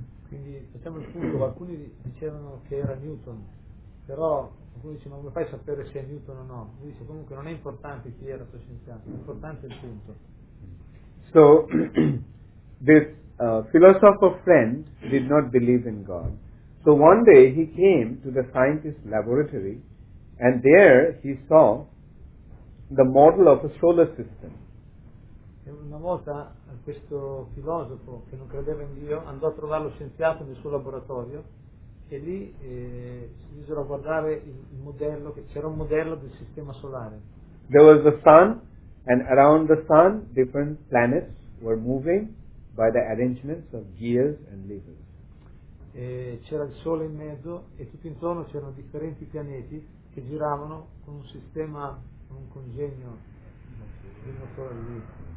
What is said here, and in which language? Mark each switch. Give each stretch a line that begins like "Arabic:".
Italian: Quindi facciamo il punto, alcuni dicevano che era Newton, però alcuni dicevano come fai a sapere se è Newton o no? Lui dice comunque non è importante chi era questo scienziato, l'importante è il punto.
English: So this philosopher friend did not believe in God. So one day he came to the scientist's laboratory and there he saw the model of a solar system.
Italian: Una volta questo filosofo che non credeva in Dio andò a trovare lo scienziato nel suo laboratorio e lì si misero a guardare il modello, che c'era un modello del sistema solare.
English: There was the sun and around the sun different planets were moving by the arrangements of gears and levers.
Italian: E c'era il sole in mezzo e tutto intorno c'erano differenti pianeti che giravano con un sistema, con un congegno di motore lì.